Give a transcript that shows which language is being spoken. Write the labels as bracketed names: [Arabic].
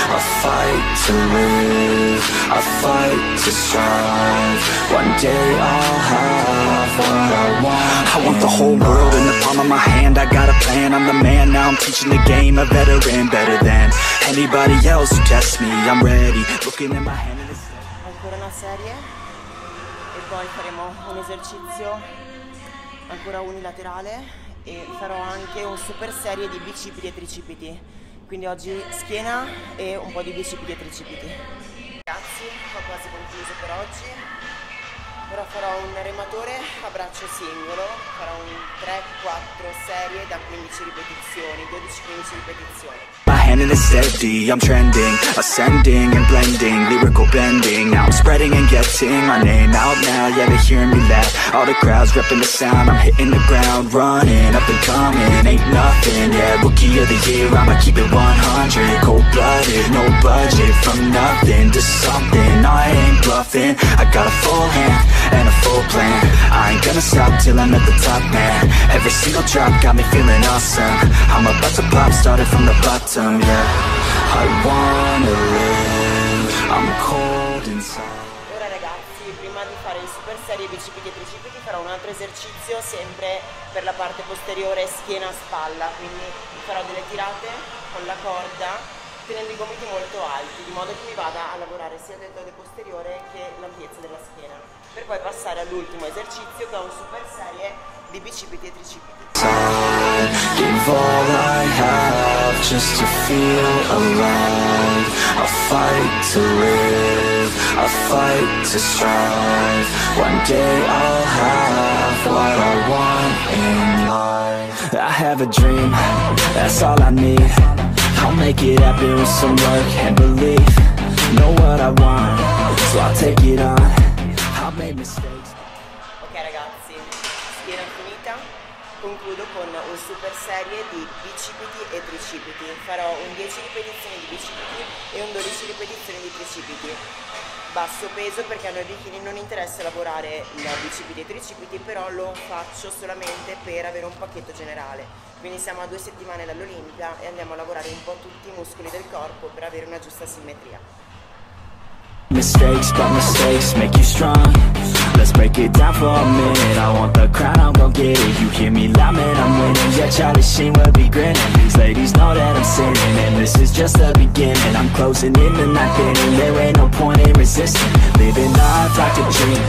[English] I fight to live, I fight to strive. One day I'll have what I want. I want the whole world in the palm of my hand. I got a plan, I'm the man. Now I'm teaching the game, a veteran, better than anybody else who tests me. I'm ready, looking in my hand. [Italian] Ancora una serie e poi faremo un esercizio ancora unilaterale e farò anche un super serie di bicipiti e tricipiti, quindi oggi schiena e un po' di bicipiti e tricipiti. Ragazzi, ho quasi concluso per oggi, ora farò un rematore a braccio singolo, farò un 3-4 serie da 15 ripetizioni, 12-15 ripetizioni. [English] And it's steady, I'm trending, ascending and blending, lyrical bending. Now I'm spreading and getting my name out now. Yeah, they're hearing me laugh. All the crowds repping the sound. I'm hitting the ground running, up and coming. Ain't nothing, yeah, rookie of the year. I'ma keep it 100, cold-blooded, no budget. From nothing to something, I ain't bluffing. I got a full hand and a full plan. I ain't gonna stop till I'm at the top, man. Every single drop got me feeling awesome. I'm about to pop, started from the bottom. Yeah. I wanna live, I'm cold inside. [Italian] Ora ragazzi, prima di fare il super serie bicipiti e tricipiti farò un altro esercizio sempre per la parte posteriore schiena spalla, quindi farò delle tirate con la corda tenendo i gomiti molto alti di modo che mi vada a lavorare sia il deltoide posteriore che l'ampiezza della schiena, per poi passare all'ultimo esercizio che è un super serie di bicipiti e tricipiti. [English] Give all I have just to feel alive. I fight to live, I fight to strive. One day I'll have what I want in life. I have a dream, that's all I need. I'll make it happen with some work and belief. Know what I want, so I'll take it on. I've made mistakes. [Italian] Ok ragazzi, schiena finita. Concludo con un super serie di bicipiti e tricipiti. Farò un 10 ripetizioni di bicipiti e un 12 ripetizioni di tricipiti. Basso peso perché a noi bikini non interessa lavorare i bicipiti e tricipiti, però lo faccio solamente per avere un pacchetto generale. Quindi siamo a 2 settimane dall'Olimpia e andiamo a lavorare un po' tutti i muscoli del corpo per avere una giusta simmetria. [English] Mistakes, but mistakes make you strong. Let's break it down for a minute. I want the crown, I'm gon' get it. You hear me loud, man, I'm winning. Yeah, Charlie Sheen will be grinning. These ladies know that I'm sinning. And this is just the beginning. I'm closing in the night inning. There ain't no point in resisting. Living life like a dream.